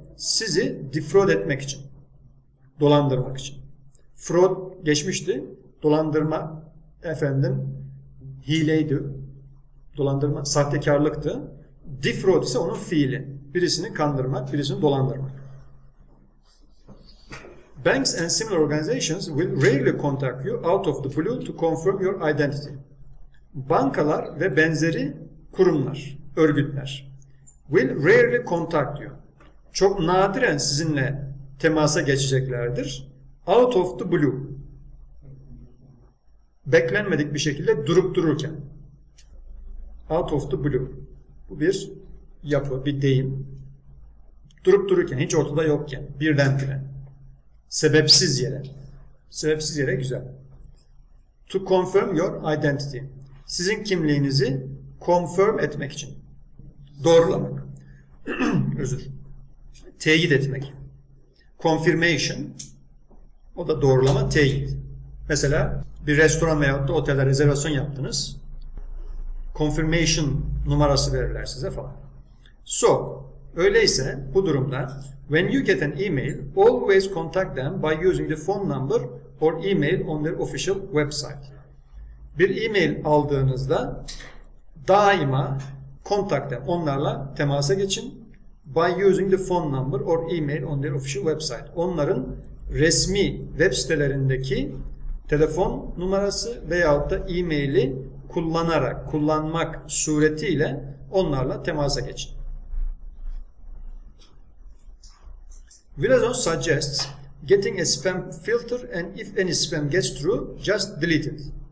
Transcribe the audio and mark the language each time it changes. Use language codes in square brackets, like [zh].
[tr] sizi defraud etmek için, dolandırmak için. Fraud geçmişti, dolandırma efendim hileydi, dolandırma sahtekarlıktı. Defraud ise onun fiili, birisini kandırmak, birisini dolandırmak. [en] Banks and similar organizations will rarely contact you out of the blue to confirm your identity. [tr] Bankalar ve benzeri kurumlar, örgütler [en] will rarely contact you. [tr] Çok nadiren sizinle temasa geçeceklerdir. [en] Out of the blue. [tr] Beklenmedik bir şekilde durup dururken. [en] Out of the blue. [tr] Bu bir yapı, bir deyim. Durup dururken, hiç ortada yokken, birdenbire. Sebepsiz yere. Sebepsiz yere güzel. [en] To confirm your identity. [tr] Sizin kimliğinizi confirm etmek için. Doğrulamak. Özür. Teyit etmek. Confirmation. O da doğrulama, teyit. Mesela bir restoran veyahut da otelde rezervasyon yaptınız. Confirmation numarası verirler size falan. [en] So, [tr] öyleyse bu durumda [en] when you get an email, always contact them by using the phone number or email on their official website. [tr] Bir e-mail aldığınızda daima [en] contact them, [tr] onlarla temasa geçin. [en] By using the phone number or email on their official website. [tr] Onların resmi web sitelerindeki telefon numarası veyahut da e-maili kullanarak, kullanmak suretiyle onlarla temasa geçin. [en] Villazon suggests getting a spam filter and if any spam gets through, just delete it.